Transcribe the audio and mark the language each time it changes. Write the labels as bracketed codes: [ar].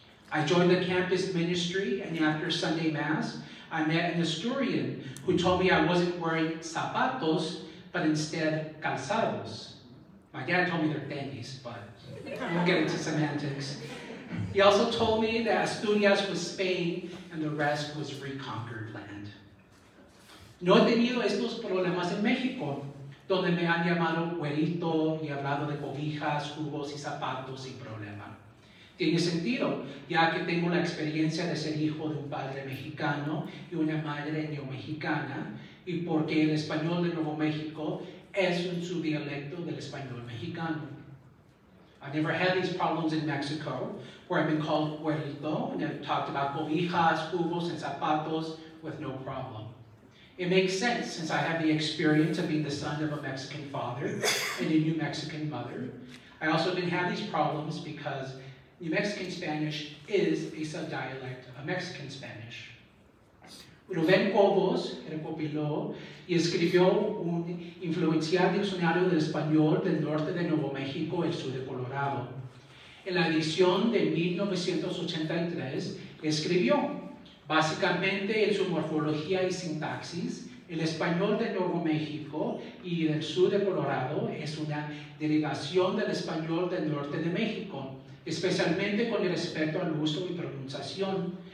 [en] I joined the campus ministry, and after Sunday Mass, I met an Asturian who told me I wasn't wearing zapatos, but instead calzados. My dad told me they're tenis, but we'll get into semantics. He also told me that Asturias was Spain, and the rest was reconquered land. [es] No he tenido estos problemas en México, donde me han llamado güerito y hablado de cobijas, jugos y zapatos sin problema. Tiene sentido, ya que tengo la experiencia de ser hijo de un padre mexicano y una madre neomexicana, y porque el español de Nuevo México es un subdialecto del español mexicano. [en] I've never had these problems in Mexico, where I've been called güerito, and I've talked about cobijas, jugos, and zapatos with no problem. It makes sense since I have the experience of being the son of a Mexican father and a New Mexican mother. I also didn't have these problems because New Mexican Spanish is a subdialect of Mexican Spanish. [es] Rubén Cobos recopiló y escribió un influencial diccionario del español del norte de Nuevo México y el sur de Colorado. En la edición de 1983 escribió: básicamente, en su morfología y sintaxis, el español de Nuevo México y del sur de Colorado es una derivación del español del norte de México, especialmente con el respecto al uso y pronunciación.